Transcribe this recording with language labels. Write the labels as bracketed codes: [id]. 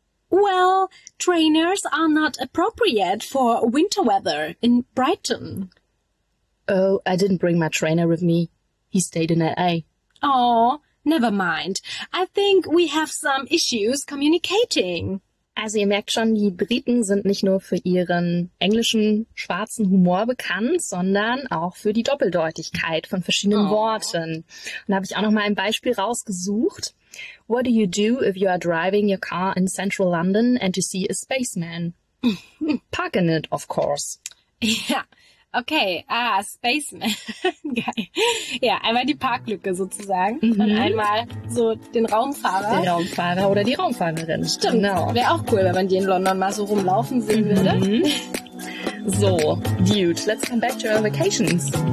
[en] Well, trainers are not appropriate for winter weather in Brighton. Oh, I didn't bring my trainer with me. He stayed in LA. Aww. Never mind. I think we have some issues communicating. [de] Also ihr merkt schon, die Briten sind nicht nur für ihren englischen schwarzen Humor bekannt, sondern auch für die Doppeldeutigkeit von verschiedenen Worten. Und da habe ich auch noch mal ein Beispiel rausgesucht. [en] What do you do if you are driving your car in central London and you see a spaceman? Park in it, of course. Yeah. Okay, Spaceman. [de] Geil. Ja, einmal die Parklücke sozusagen und einmal so den Raumfahrer. Den Raumfahrer oder die Raumfahrerin. Stimmt. Genau. Wäre auch cool, wenn man die in London mal so rumlaufen sehen würde. [en] So, dude, let's come back to our vacations.